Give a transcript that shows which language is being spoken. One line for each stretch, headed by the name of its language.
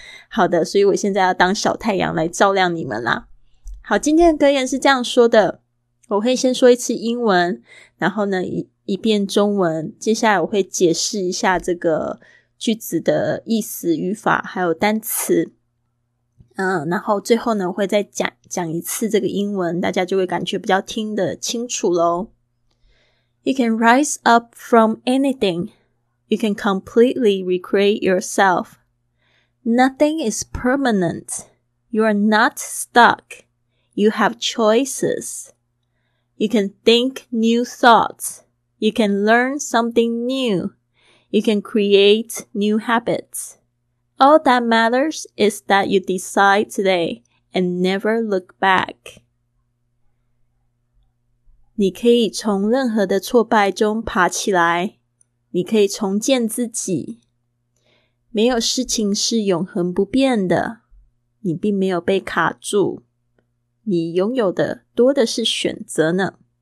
Chinese: 好的，所以我现在要当小太阳来照亮你们啦。好，今天的格言是这样说的，我会先说一次英文，然后呢一遍中文，接下来我会解释一下这个句子的意思、语法还有单词，然后最后呢我会再讲一次这个英文，大家就会感觉比较听得清楚咯。
English: You can rise up from anything. You can completely recreate yourself. Nothing is permanent. You are not stuck. You have choices. You can think new thoughts. You can learn something new. You can create new habits. All that matters is that you decide today. And never look back.
Chinese: 你可以从任何的挫败中爬起来，你可以重建自己。没有事情是永恒不变的，你并没有被卡住，你拥有的多的是选择呢。